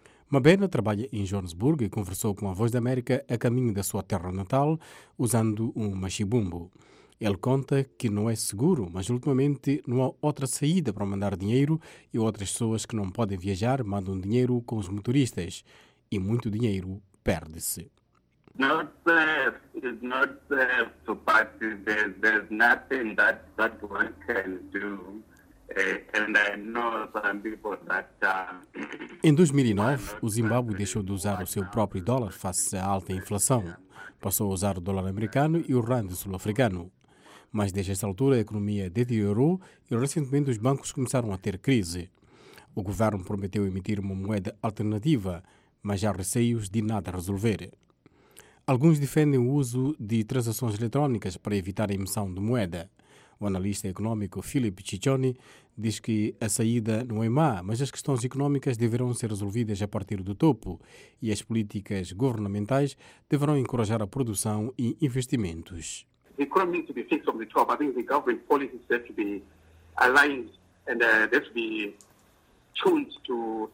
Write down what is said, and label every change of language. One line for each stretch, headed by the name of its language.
Portuguese: Mabena trabalha em Joanesburgo e conversou com a Voz da América a caminho da sua terra natal, usando um machibumbo. Ele conta que não é seguro, mas ultimamente não há outra saída para mandar dinheiro e outras pessoas que não podem viajar mandam dinheiro com os motoristas. E muito dinheiro perde-se.
English: Not safe, but there's nothing that one can do. And I know some people that.
Portuguese: Em 2009, o Zimbábue deixou de usar o seu próprio dólar face à alta inflação. Passou a usar o dólar americano e o rand sul-africano. Mas desde essa altura a economia deteriorou e recentemente os bancos começaram a ter crise. O governo prometeu emitir uma moeda alternativa, mas há receios de nada resolver. Alguns defendem o uso de transações eletrónicas para evitar a emissão de moeda. O analista econômico Philip Ciccioni diz que a saída não é má, mas as questões económicas deverão ser resolvidas a partir do topo e as políticas governamentais deverão encorajar a produção e investimentos.
English: The economy needs to be fixed from the top. I think the government policies have to be aligned and they have to be tuned to.